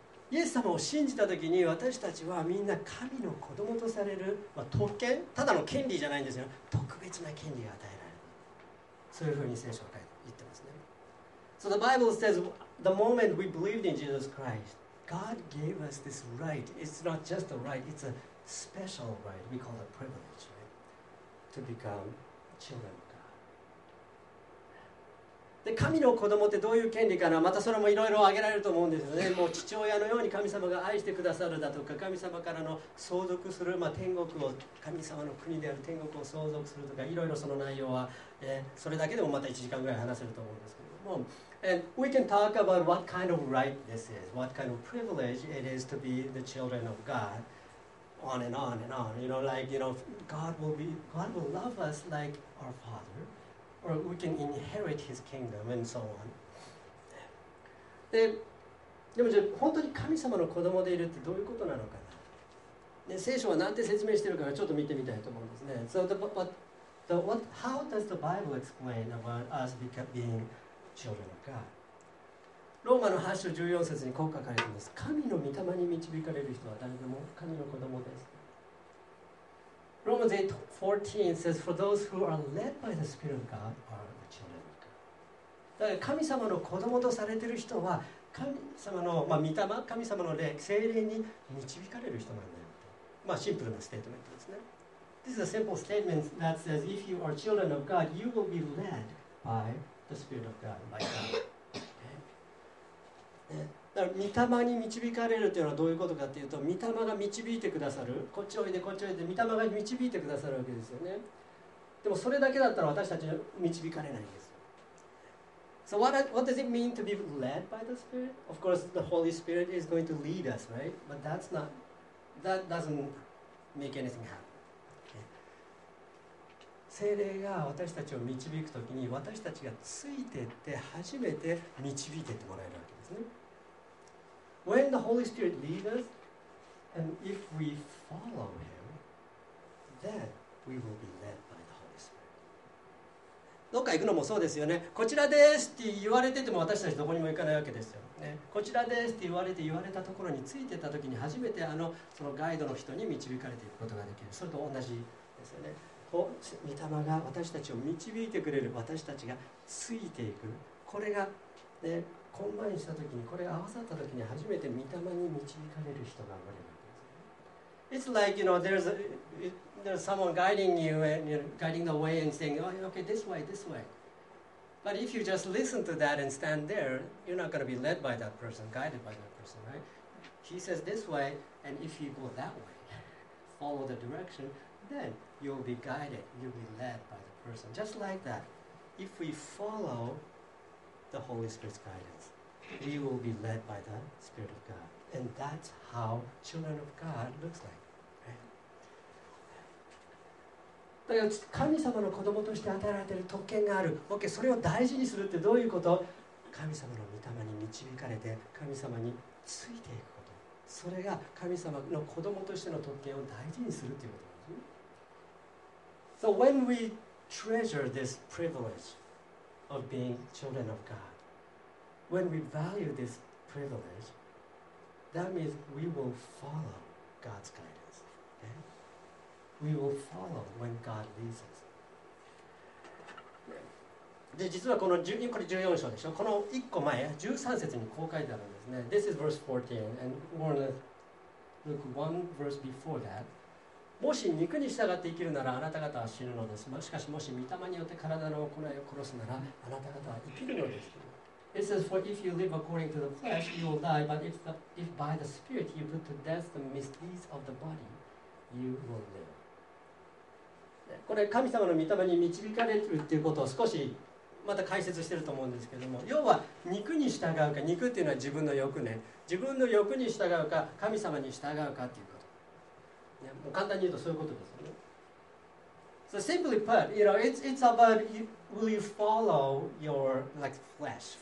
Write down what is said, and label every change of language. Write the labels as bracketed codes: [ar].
[ja] イエス様を信じたときに私たちはみんな神の子供とされる、まあ、特権、ただの権利じゃないんですよ。特別な権利が与えられる。そういうふうに聖書は言ってますね。 [en] So the Bible says, the moment we believed in Jesus Christ, God gave us this right. It's not just a right, it's a special right. We call it a privilege, right? To become children. [ja] で神の子供ってどういう権利かな、またそれもいろいろ挙げられると思うんですよね。もう父親のように神様が愛してくださるだとか、神様からの相続する、まあ、天国を、神様の国である天国を相続するとか、いろいろその内容は、それだけでもまた1時間ぐらい話せると思うんですけども。 [en] And we can talk about what kind of right this is, what kind of privilege it is to be the children of God, on and on and on. You know, like, you know, God will love us like our fatherOr we can inherit his kingdom and so on. [ja] で、でもじゃあ本当に神様の子供でいるってどういうことなのかな。で、聖書はなんて説明してるかちょっと見てみたいと思うんですね。 [en] So how does the Bible explain about us being children of God? [ja] ローマの8章14節にこう書かれています。神の御霊に導かれる人は誰でも神の子供です。 [en] Romans 8:14 says, For those who are led by the Spirit of God are the children of God. [ja] だから神様の子供とされている人は、神様の、まあ、御霊、神様の霊、聖霊に導かれる人なんだよと。まあシンプルなステートメントですね。 [en] This is a simple statement that says, If you are children of God, you will be led by the Spirit of God, by God. [ja] だから御霊に導かれるというのはどういうことかというと、御霊が導いてくださる、こっちおいでこっちおいで、御霊が導いてくださるわけですよね。でもそれだけだったら私たちは導かれないんです。 [en] So what does it mean to be led by the Spirit? Of course the Holy Spirit is going to lead us, right? But that's not, that doesn't make anything happen、okay. [ja] 聖霊が私たちを導くときに、私たちがついてって初めて導いてってもらえるわけですね。 [en] When the Holy Spirit leads us, and if we follow Him, then we will be led by the Holy Spirit. [ja] どっか行くのもそうですよね。こちらですって言われてても私たちどこにも行かないわけですよ。ね、こちらですって言われて、言われたところについてた時に初めてそのガイドの人に導かれていくことができる。それと同じですよね。こう、御霊が私たちを導いてくれる、私たちがついていく。これが、ね、コンバインしたときに、これ合わさったときに初めて御霊に導かれる人が生まれるんです。 [en] It's like, you know, there's someone guiding you and you're guiding the way and saying, oh, okay, this way, this way. But if you just listen to that and stand there, you're not going to be led by that person, guided by that person, right? He says this way, and if you go that way, follow the direction, then you'll be guided, you'll be led by the person. Just like that. If we follow the Holy Spirit's guidance, we will be led by the Spirit of God. And that's how children of God looks like. [ja] 神様の子供として与えられている特権がある。OK、それを大事にするってどういうこと？神様の御霊に導かれて神様についていくこと。それが神様の子供としての特権を大事にするということですね。 [en] So when we treasure this privilege of being children of God, when we value this privilege, that means we will follow God's guidance. We will follow when God leads us. [ja] で、実はこの10、これ14章でしょ。この1個前、13節にこう書いてあるんですね。 [en] This is verse 14, and we're going to look one verse before that. [ja] もし肉に従って生きるならあなた方は死ぬのです。しかしもし御霊によって体の行いを殺すならあなた方は生きるのです。 [en] It says, for if you live according to the flesh, you will die, but if by the Spirit you put to death the misdeeds of the body, you will live. [ja] これ神様の御霊に導かれるということを少しまた解説していると思うんですけども、要は肉に従うか、肉っていうのは自分の欲ね、自分の欲に従うか神様に従うかということ、ね、もう簡単に言うとそういうことですよね。 [en] So simply put, you know, it's about you, will you follow your like flesh?